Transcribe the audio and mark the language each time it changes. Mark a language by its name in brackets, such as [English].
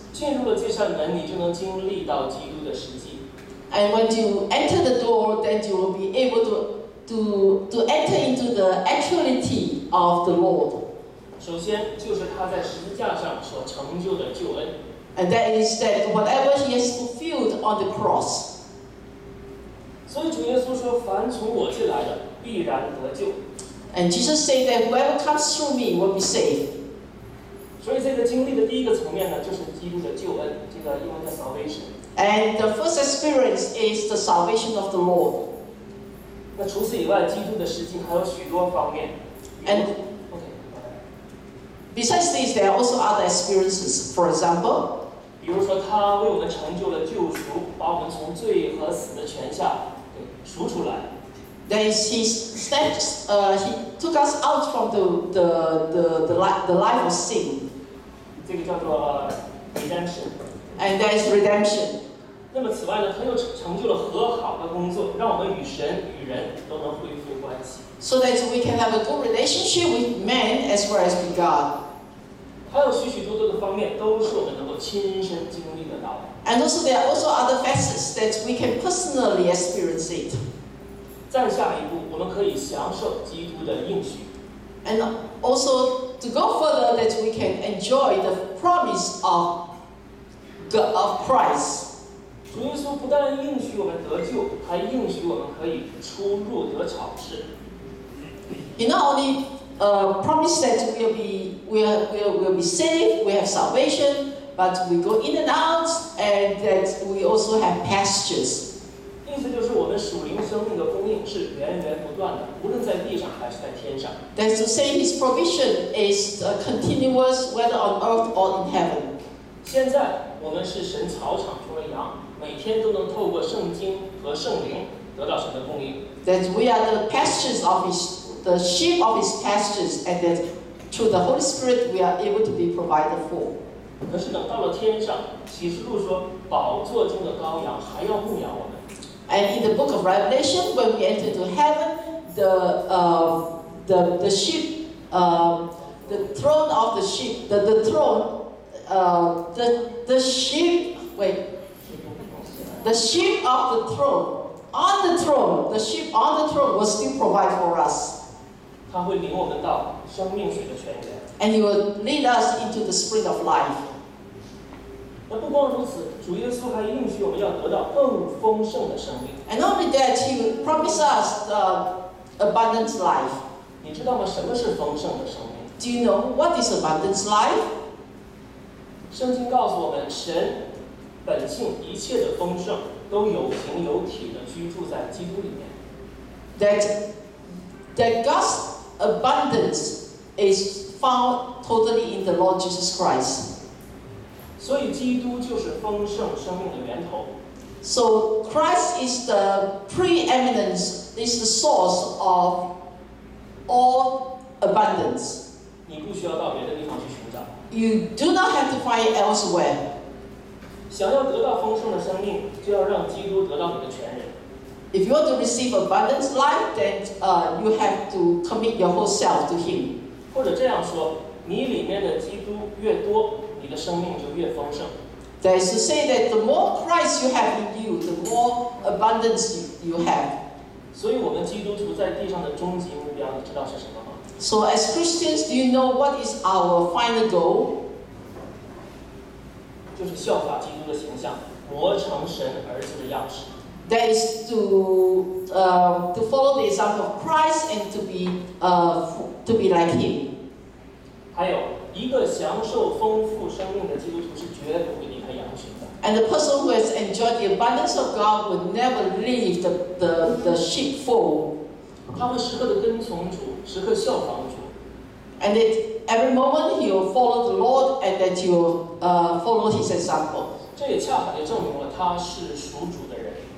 [Chinese] 进入了这扇门，你就能经历到基督的实际。 [English] And when you enter the door, then you will be able to enter into the actuality of the Lord. [Chinese] 首先就是他在十字架上所成就的救恩。 [English] And that is that whatever He has fulfilled on the cross. [Chinese] 所以主耶稣说，凡从我进来的必然得救。 [English] And Jesus said that whoever comes through me will be saved. [Chinese] 所以这个经历的第一个层面呢，就是基督的救恩，这个英文叫 salvation. [English] And the first experience is the salvation of the Lord. [Chinese] 那除此以外，基督的实际还有许多方面。 [English] And besides this, there are also other experiences. For example. [Chinese] 比如说，他为我们成就了救赎，把我们从罪和死的权下给赎出来。 [English] That is he steps, he took us out from the life of sin. [Chinese] 这个叫做 redemption. [English] And that is redemption. [Chinese] 那么此外呢，他又成就了和好的工作，让我们与神与人都能恢复关系。 [English] So that we can have a good relationship with man as well as with God. [Chinese] 还有许许多多的方面都是我们能够亲身经历得到的。 [English] And also there are also other facets that we can personally experience it. [Chinese] 再下一步，我们可以享受基督的应许。 [English] And also to go further that we can enjoy the promise of God of Christ. [Chinese] 主耶稣不但应许我们得救，还应许我们可以出入得草室。 [English] He not only promised that we'll be saved, we have salvation, but we go in and out, and that we also have pastures. [Chinese] 意思就是我们属灵生命的供应是源源不断的，无论在地上还是在天上。 [English] That's to say, His provision is continuous, whether on earth or in heaven. [Chinese] 现在我们是神草场中的羊，每天都能透过圣经和圣灵得到神的供应。 [English] That we are the pastures of His. The sheep of his pastures, and that through the Holy Spirit we are able to be provided for. [Chinese] 可是等到了天上，启示录说，宝座中的羔羊还要牧养我们。 [English] And in the book of Revelation, when we enter to heaven, the sheep on the throne will still provide for us. [Chinese] 他会领我们到生命水的泉源 [English] ，and he will lead us into the spring of life。 [Chinese] 那不光如此，主耶稣还应许我们要得到更丰盛的生命。 [English] And not only that, he will promise us the abundant life。 [Chinese] 你知道吗？什么是丰盛的生命 [English] ？Do you know what is abundant life？ [Chinese] 圣经告诉我们，神本性一切的丰盛都有形有体的居住在基督里面。 [English] That God's abundance is found totally in the Lord Jesus Christ. [Chinese] So, 基督就是丰盛生命的源头。 [English] So Christ is the preeminence, is the source of all abundance. [Chinese] 你不需要到别的地方去寻找。 [English] You do not have to find it elsewhere. [Chinese] 想要得到丰盛的生命，就要让基督得到你的全人。 [English] If you want to receive abundant life, then you have to commit your whole self to Him. [Chinese] 或者这样说，你里面的基督越多，你的生命就越丰盛。 [English] That is to say that the more Christ you have in you, the more abundance you have. [Chinese] 所以我们基督徒在地上的终极目标，你知道是什么吗 [English] ？So as Christians, do you know what is our final goal? [Chinese] 就是效法基督的形象，磨成神儿子的样式。 [English] That is to follow the example of Christ and to be like Him. [Chinese] 还有一个享受丰富生命的基督徒是绝不会离开羊群的。 [English] And the person who has enjoyed the abundance of God would never leave the sheepfold. [Chinese] 他会时刻的跟从主，时刻效仿主。 [English] And at every moment he will follow the Lord and that he will follow His example. [Chinese] 这也恰好地证明了他是属主的人。